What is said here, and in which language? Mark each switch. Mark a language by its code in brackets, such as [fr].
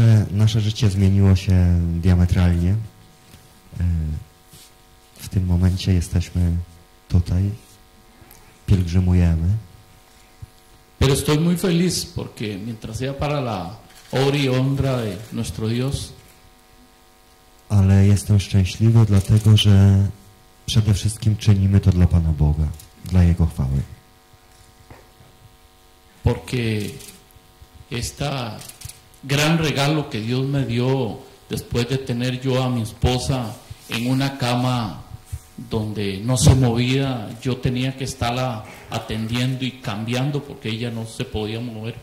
[pl] Nasze życie zmieniło się diametralnie. W tym momencie jesteśmy tutaj, pielgrzymujemy. [es] Pero estoy muy feliz porque mientras sea para la obra y honra de nuestro Dios. [pl] Ale jestem szczęśliwy dlatego, że przede wszystkim czynimy to dla Pana Boga, dla Jego chwały. [es] Porque esta gran regalo que Dios me dio después de tener yo a mi esposa en una cama donde no se movía, yo tenía que estarla atendiendo y cambiando porque ella no se podía mover.